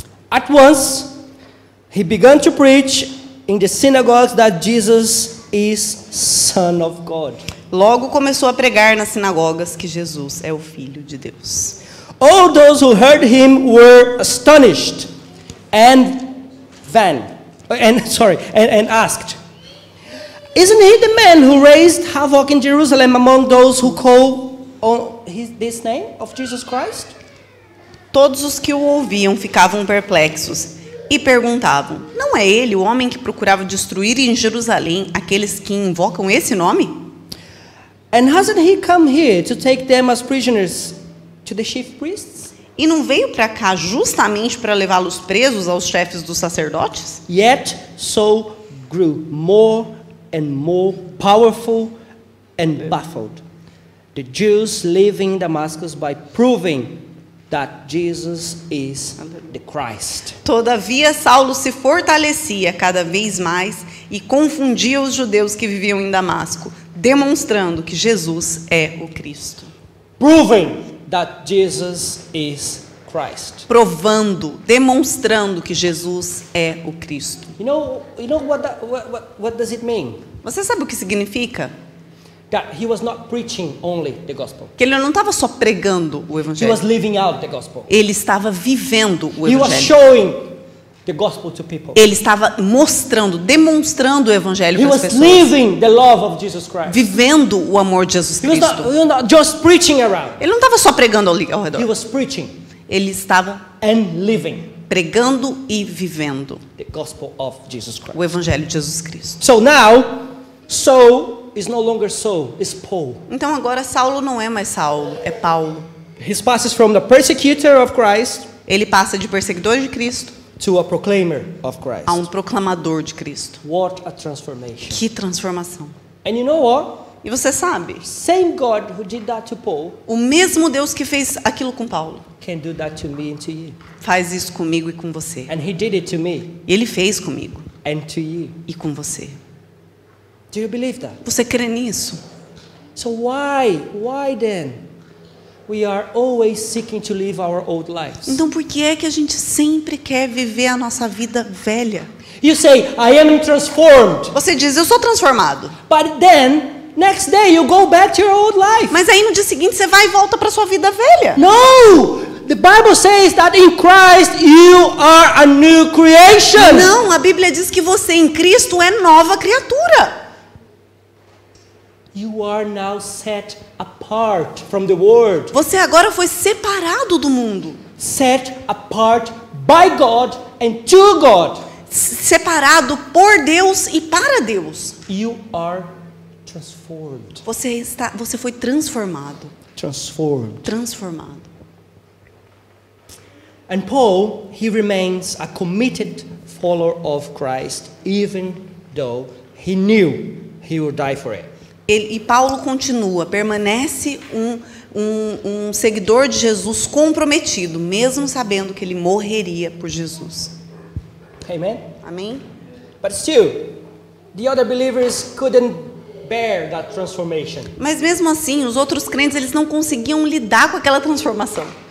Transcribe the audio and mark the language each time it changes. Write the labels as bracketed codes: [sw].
[en] At once he began to preach in the synagogues that Jesus is Son of God. [pt] Logo começou a pregar nas sinagogas que Jesus é o Filho de Deus. [en] All those who heard him were astonished and asked, isn't he the man who raised havoc in Jerusalem among those who call this name of Jesus Christ? [pt] Todos os que o ouviam ficavam perplexos e perguntavam: não é ele o homem que procurava destruir em Jerusalém aqueles que invocam esse nome? [en] And hasn't he come here to take them as prisoners to the chief priests? [pt] E não veio para cá justamente para levá-los presos aos chefes dos sacerdotes? [en] Yet Saul grew more and more powerful and baffled. The Jews leaving Damascus by proving that Jesus is the Christ. [pt] Todavia, Saulo se fortalecia cada vez mais e confundia os judeus que viviam em Damasco, demonstrando que Jesus é o Cristo. [en] Proving that Jesus is Christ. [pt] Provando, demonstrando que Jesus é o Cristo. [en] You know what does it mean? [pt] Você sabe o que significa? [en] That he was not preaching only the gospel. [pt] Que ele não estava só pregando o evangelho. [en] He was living out the gospel. [pt] Ele estava vivendo o evangelho. [en] He was showing the gospel to people. [pt] Ele estava mostrando, demonstrando o evangelho para as pessoas. [en] He was living the love of Jesus Christ. [pt] Vivendo o amor de Jesus Cristo. [en] He was not just preaching around. [pt] Ele não estava só pregando ao redor. [en] He was preaching. [pt] Ele estava [en] and living. [pt] Pregando e vivendo [en] the gospel of Jesus Christ. [pt] O evangelho de Jesus Cristo. [en] So now, Saul is no longer Saul, is Paul. [pt] Então agora Saulo não é mais Saulo, é Paulo. [en] He passes from the persecutor of Christ. [pt] Ele passa de perseguidor de Cristo [en] to a proclaimer of Christ. [pt] A um proclamador de Cristo. [en] What a transformation. [pt] Que transformação. [en] And you know what? [pt] E você sabe? [en] Same God who did that to Paul. [pt] O mesmo Deus que fez aquilo com Paulo. [en] Can do that to me and to you. [pt] Faz isso comigo e com você. [en] And he did it to me. [pt] E ele fez comigo. [en] And to you. [pt] E com você. [en] Do you believe that? [pt] Você crê nisso? [en] So why then we are always seeking to live our old lives? [pt] Então por que é que a gente sempre quer viver a nossa vida velha? [en] You say I am transformed. [pt] Você diz eu sou transformado. [en] But then next day you go back to your old life. [pt] Mas aí no dia seguinte você vai e volta para sua vida velha. [en] No! The Bible says that in Christ you are a new creation. [pt] Não, a Bíblia diz que você em Cristo é nova criatura. [en] You are now set apart from the world. [pt] Você agora foi separado do mundo. [en] Set apart by God and to God. [pt] Separado por Deus e para Deus. [en] You are transformed. [pt] Você foi transformado. [en] Transformed. [pt] Transformado. [en] And Paul, he remains a committed follower of Christ, even though he knew he would die for it. [pt] E Paulo continua, permanece um seguidor de Jesus comprometido, mesmo sabendo que ele morreria por Jesus. [en] Amen. [pt] Amém. [en] But still, the other believers couldn't bear that transformation. [pt] Mas mesmo assim, os outros crentes eles não conseguiam lidar com aquela transformação.